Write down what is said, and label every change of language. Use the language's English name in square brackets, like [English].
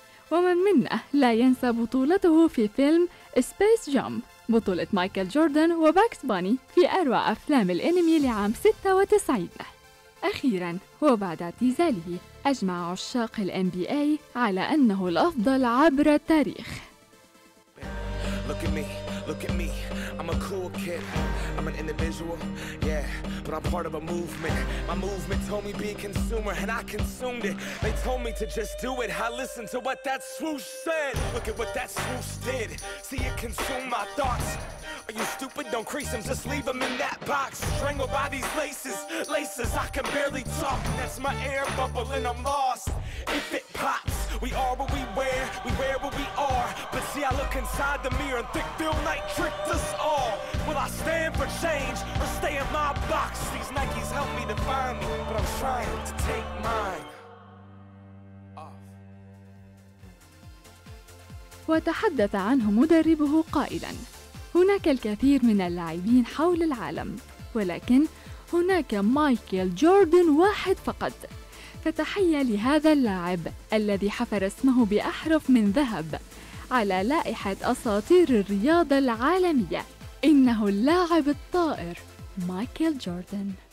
[Arabic] ومن منا لا ينسى بطولته في فيلم سبيس جام، بطولة مايكل جوردن وباكس باني في أروع أفلام الأنمي لعام 96. أخيراً وبعد اعتزاله، أجمع عشاق الـ NBA على أنه الأفضل عبر التاريخ. [English] Look at me, look at me. I'm a cool kid. I'm an individual, yeah, but I'm part of a movement. My movement told me be a consumer, and I consumed it. They told me to just do it. I listened to what that swoosh said. Look at what that swoosh did. See it consume my thoughts. Are you stupid? Don't crease them, just leave them in that box. Strangled by these laces, laces. I can barely talk. That's my air bubble, and I'm lost. If it pops, we are what we wear what we are. But see, I look inside the mirror, and thick film night tricked us all. Will I stand for change or stay in my box? These Nikes help me define me, but I'm trying to take mine off. [Arabic] وتحدث عنه مدربه قائلا: هناك الكثير من اللاعبين حول العالم، ولكن هناك مايكل جوردن واحد فقط. فتحية لهذا اللاعب الذي حفر اسمه بأحرف من ذهب على لائحة أساطير الرياضة العالمية. إنه اللاعب الطائر مايكل جوردن.